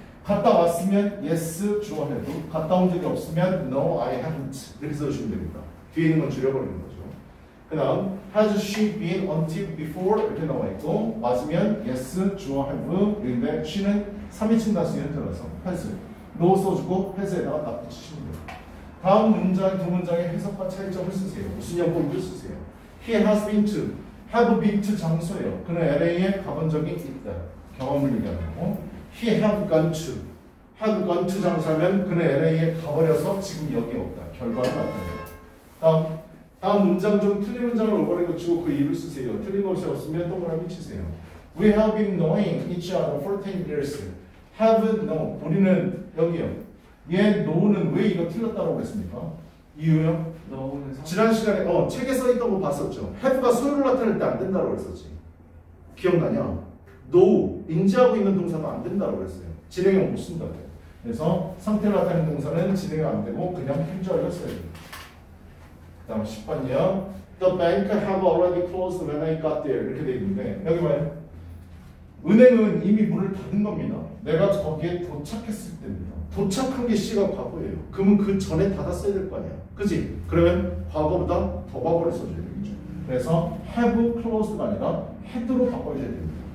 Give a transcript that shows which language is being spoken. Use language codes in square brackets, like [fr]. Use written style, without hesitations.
[ko] 갔다 왔으면 yes 주어해도 갔다 온 적이 없으면 [en] no I haven't [ko] 이렇게 써주시면 됩니다. 뒤에 있는 건 줄여버리는 거죠. 그다음 [en] has she been until before [ko] 이렇게 나와 있고 맞으면 yes, 주어 have 인데 she는 3인칭 다수에 들어서 has, no 써주고 has에다가 덧붙이시면 돼요. 다음 문장 두 문장의 해석과 차이점을 쓰세요. 무슨 영어를 쓰세요? [en] He has been to, have been to [ko] 장소예요. 그는 LA에 가본 적이 있다. 경험을 얘기하고 [en] He has gone to, have gone to [ko] 장소면 그는 LA에 가버려서 지금 여기 없다. 결과가 나타나요. 다음 문장 중 틀린 문장을 올바르게 주고 그 이유를 쓰세요. 틀린 것이 없으면 동그라미 치세요. [en] We have been knowing each other for 10 years. Have known. [ko] 우리는 여기요. 얘 know는 왜 이거 틀렸다고 했습니까? 이유요? know는 지난 시간에 책에 써있던 거 봤었죠. have가 소유를 나타낼 때 안 된다고 했었지. 기억나냐? know, 인지하고 있는 동사도 안 된다고 했어요. 진행형 못 쓴다고. 그래서 상태를 나타내는 동사는 진행형 안 되고 그냥 현재형을 써야 돼요. 다음 10번이요. [en] The bank have already closed when I got there. [ko] 이렇게 돼 있는데 여기 봐요. 은행은 이미 문을 닫은 겁니다. 내가 거기에 도착했을 때입니다. 도착한 게 시가 과거예요. 그러면 그 전에 닫았어야 될 거 아니야. 그지? 그러면 과거보다 더 과거를 써줘야 되겠죠. 그래서 have closed가 아니라 had로 바꿔줘야 됩니다.